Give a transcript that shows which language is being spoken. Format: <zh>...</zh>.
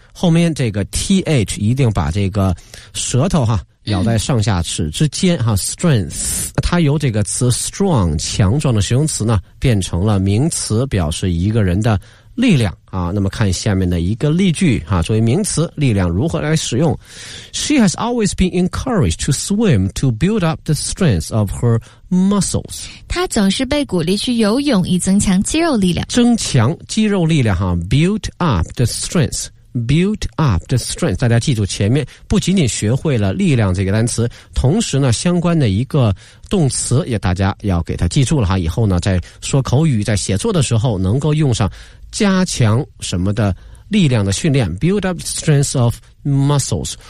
<zh>后面这个 th 一定把这个舌头哈咬在上下齿之间哈 ,strength, 它由这个词 strong, 强壮的形容词呢变成了名词，表示一个人的力量啊。那么看下面的一个例句啊，作为名词力量如何来使用。</zh> <en>She has always been encouraged to swim to build up the strength of her muscles.</en> <zh>她总是被鼓励去游泳以增强肌肉力量。增强肌肉力量哈 ,</zh> <en>build up the strength。 Build up the strength，</en> <zh>大家记住前面不仅仅学会了力量这个单词，同时呢相关的一个动词也大家要给它记住了哈，以后呢在说口语在写作的时候能够用上加强什么的力量的训练 ,</zh> <en>build up strength of muscles。</en>